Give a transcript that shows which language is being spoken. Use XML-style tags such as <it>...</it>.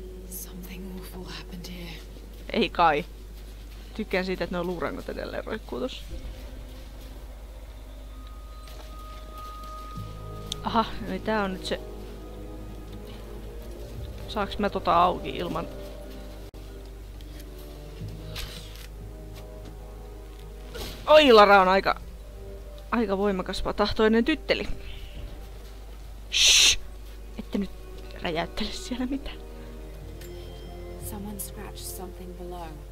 <en>Something awful happened here.</en> <fi>Ei kai. Tykkään siitä, että ne on luurangot edelleen roikkuu tossa. Aha, eli tää on nyt se... Saanko mä tota auki ilman... Oi, Lara on aika... Aika voimakas tahtoinen tytteli. Shh! Ette nyt räjäyttele siellä mitään.</fi> <en>Someone scratched something below.</en>